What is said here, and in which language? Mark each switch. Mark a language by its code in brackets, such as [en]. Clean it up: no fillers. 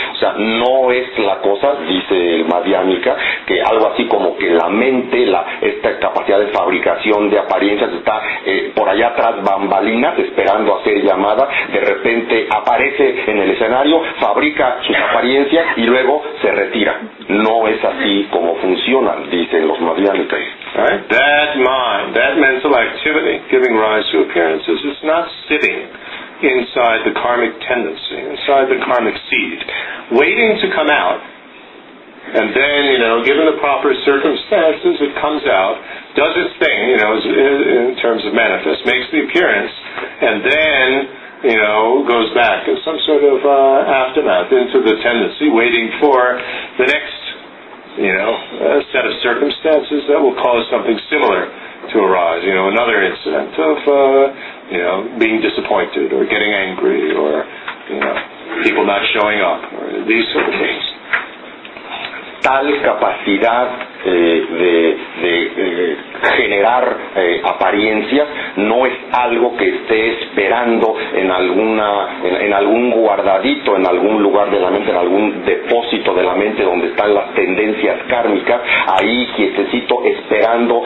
[es] O sea, no es la cosa, dice el Madhyamika, que algo así como que la mente, esta capacidad de fabricación de apariencias está por allá tras bambalinas esperando a ser llamada, de repente aparece en el escenario, fabrica sus apariencias y luego se retira. No es así como funciona, dicen los Madhyamika. [en] Right? That mind, that mental activity giving rise to appearances is not sitting inside the karmic tendency, inside the karmic seed, waiting to come out, and then, you know, given the proper circumstances, it comes out, does its thing, you know, in terms of manifest, makes the appearance, and then, you know, goes back in some sort of aftermath into the tendency, waiting for the next, you know, a set of circumstances that will cause something similar to arise, you know, another incident of, you know, being disappointed or getting angry or, you know, people not showing up or these sort of things. [es] Tal capacidad generar apariencias no es algo que esté esperando en algún guardadito, en algún lugar de la mente, en algún depósito de la mente donde están las tendencias kármicas, ahí quietecito esperando.